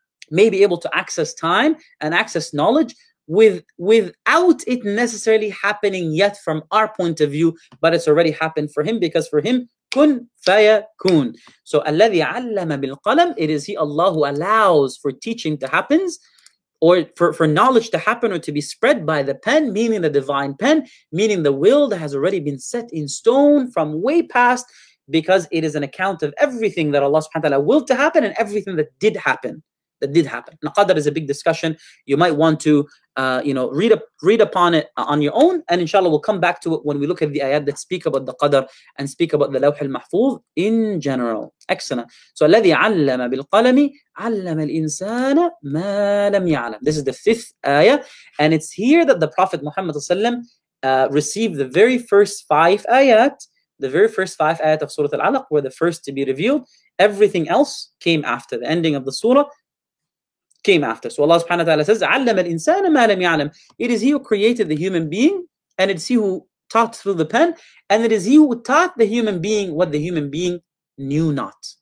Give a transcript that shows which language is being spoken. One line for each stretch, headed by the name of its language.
English: may be able to access time and access knowledge without it necessarily happening yet from our point of view, but it's already happened for him because for him,
Arabic: كُن فَيَكُون
English: So,
Arabic: الَّذِي عَلَّمَ بِالْقَلَمِ
English: It is he, Allah, who allows for teaching to happen or for knowledge to happen or to be spread by the pen, meaning the divine pen, meaning the will that has already been set in stone from way past because it is an account of everything that Allah subhanahu wa ta'ala willed to happen and everything that did happen. Now, Qadr is a big discussion. You might want to, read upon it on your own. And inshallah, we'll come back to it when we look at the ayat that speak about the Qadr and speak about the Lawh al-Mahfuz in general. Excellent.
Arabic: So, الَّذِي عَلَّمَ بِالْقَلَمِ عَلَّمَ الْإِنسَانَ مَا لَمْ يَعْلَمَ
English: This is the fifth ayah. And it's here that the Prophet Muhammad received the very first five ayat, the very first five ayat of Surah Al-Alaq were the first to be revealed. Everything else came after the ending of the surah. came after. So Allah subhanahu wa ta'ala says,
Arabic: عَلَّمَ الْإِنسَانَ مَا لَمْ يَعْلَمْ.
English: It is he who created the human being, and it's he who taught through the pen, and it is he who taught the human being what the human being knew not.